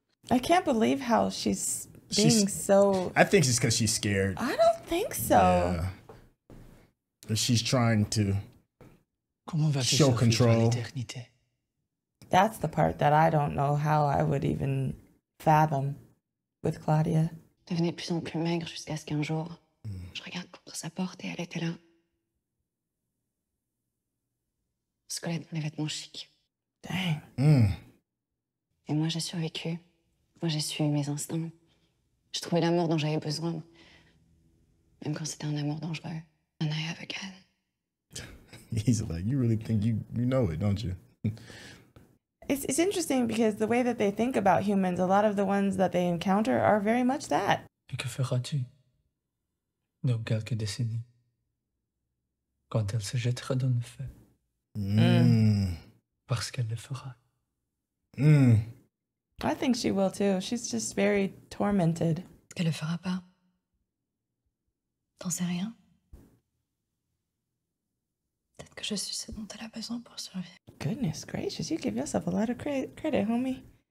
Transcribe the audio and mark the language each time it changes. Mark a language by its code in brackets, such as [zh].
[en] I can't believe how she's so. I think it's because she's scared. I don't think so. Yeah. She's trying to show control. That's the part that I don't know how I would even fathom with Claudia. [fr] Devenait plus en plus maigre jusqu'à ce qu'un jour, je regarde contre sa porte et elle était là. Squelette dans les vêtements chics. [en] Dang. [fr] Et moi, j'ai survécu. Moi, j'ai suivi mes instincts. J'ai trouvé l'amour dont j'avais besoin. Même quand c'était un amour dangereux. [en] And I have a gun. He's like, you really think you know it, don't you? It's interesting because the way that they think about humans, a lot of the ones that they encounter are very much that. [fr] Et que feras-tu dans quelques décennies quand elle se jettera dans le feu? Parce qu'elle le fera. [en] I think she will too. She's just very tormented. [fr] Qu'elle le fera pas. T'en sais rien. Peut-être que je suis ce dont elle a besoin pour survivre. [en] Goodness gracious, you give yourself a lot of credit, homie.